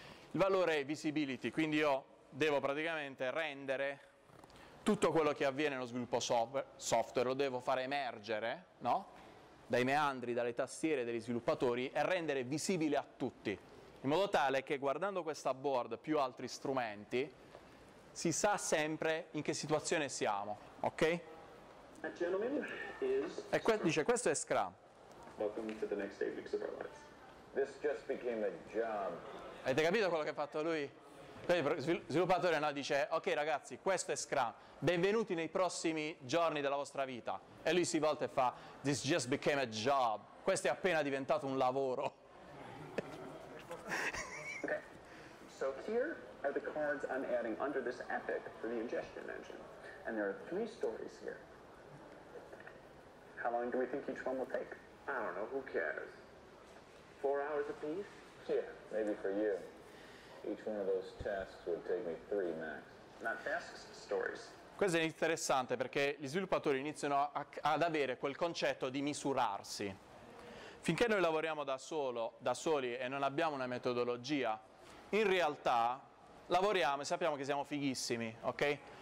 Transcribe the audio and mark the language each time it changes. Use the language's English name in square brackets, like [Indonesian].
[Italian] Il valore è visibility, quindi io devo praticamente rendere tutto quello che avviene nello sviluppo software, lo devo fare emergere, no? Dai meandri, dalle tastiere degli sviluppatori e rendere visibile a tutti. In modo tale che guardando questa board più altri strumenti si sa sempre in che situazione siamo, ok? Dice: questo è Scrum. [English] Welcome to the next apex of our lives. This just became a job. [Italian] Avete capito quello che ha fatto lui? Sviluppatore, no, dice: ok ragazzi, questo è Scrum, benvenuti nei prossimi giorni della vostra vita. E lui si volta e fa: [English] this just became a job. [Italian] Questo è appena diventato un lavoro. [English] So here are the cards I'm adding under this epic for the ingestion engine. And there are 3 stories here. How long do we think each one will take? I don't know, who cares? 4 hours apiece? Yeah, maybe for you. Each one of those tasks would take me 3 max. Not tasks, stories. [Italian] Questo è interessante perché gli sviluppatori iniziano ad avere quel concetto di misurarsi. Finché noi lavoriamo da soli e non abbiamo una metodologia, in realtà lavoriamo e sappiamo che siamo fighissimi, ok?